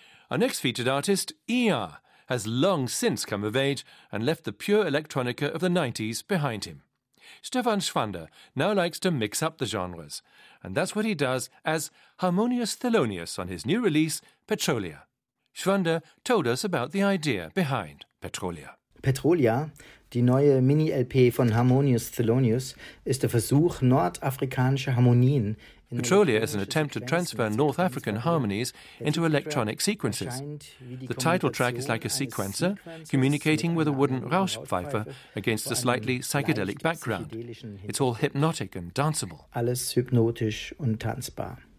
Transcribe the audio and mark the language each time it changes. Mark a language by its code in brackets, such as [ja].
[en] Our next featured artist, ER, has long since come of age and left the pure electronica of the 90s behind him. Stefan Schwander now likes to mix up the genres, and that's what he does as Harmonious Thelonious on his new release, Petrolia. Schwander told us about the idea behind Petrolia. [de] Petrolia, die neue Mini-LP von Harmonious Thelonious, ist der Versuch, nordafrikanische Harmonien... [en] Petrolia is an attempt to transfer North African harmonies into electronic sequences. The title track is like a sequencer, communicating with a wooden Rauschpfeife against a slightly psychedelic background. It's all hypnotic and danceable. [de] Alles hypnotisch und tanzbar.